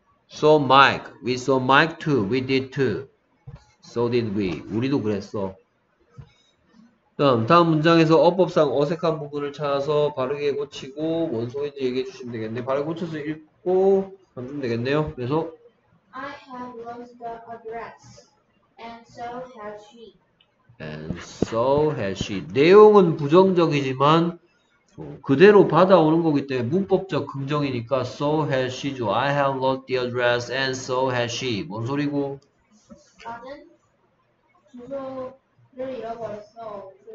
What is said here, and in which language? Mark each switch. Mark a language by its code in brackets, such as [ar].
[en] So Mike. We saw Mike too. We did too. So did we. [ko] 우리도 그랬어. 다음 문장에서 어법상 어색한 부분을 찾아서 바르게 고치고 뭔 소리인지 얘기해 주시면 되겠네요. 바르게 고쳐서 읽고 하면 되겠네요. 그래서 [en] I have lost the address and so has she. And so has she. [ko] 내용은 부정적이지만 그대로 받아오는 거기 때문에 문법적 긍정이니까 [en] so has she. I have lost the address and so has she. [ko] 뭔 소리고? 나는 주소를 잃어버렸어.